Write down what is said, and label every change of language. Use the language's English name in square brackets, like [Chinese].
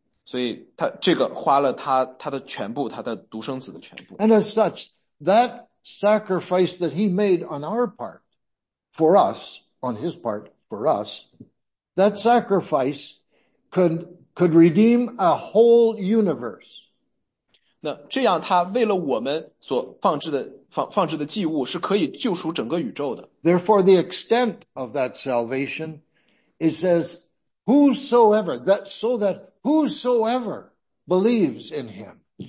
[Chinese] 所以他这个花了他的全部，他的独生子的全部。 [English] And as such, that sacrifice that he made on our part for us, on his part for us, that sacrifice could redeem a whole universe. [Chinese] 那这样他为了我们所放置的祭物是可以救赎整个宇宙的。 [English] Therefore, the extent of that salvation, it says, whosoever, that so that whosoever believes in him.